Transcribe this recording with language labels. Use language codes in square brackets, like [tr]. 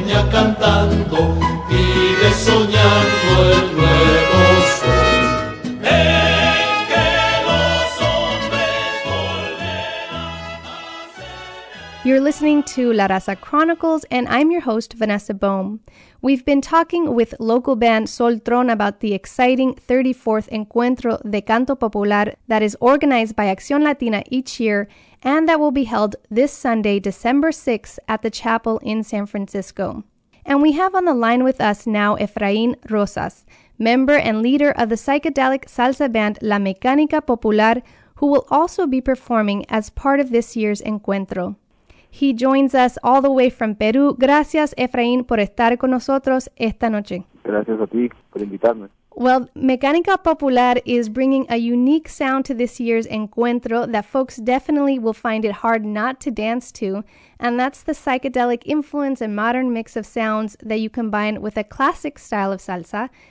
[es] Cantando, vive soñando el nuevo sol, en que los hombres volverán a ser. [en] You're listening to La Raza Chronicles, and I'm your host, Vanessa Bohm. We've been talking with local band Soltron about the exciting 34th Encuentro de Canto Popular that is organized by Acción Latina each year and that will be held this Sunday, December 6th at the chapel in San Francisco. And we have on the line with us now Efraín Rosas, member and leader of the psychedelic salsa band La Mecanica Popular, who will also be performing as part of this year's Encuentro. He joins us all the way from Peru. [es] Gracias, Efraín, por estar con nosotros esta noche. Gracias a ti por invitarme. [en] Well, Mecanica Popular is bringing a unique sound to this year's Encuentro that folks definitely will find it hard not to dance to, and that's the psychedelic influence and modern mix of sounds that you combine with a classic style of salsa.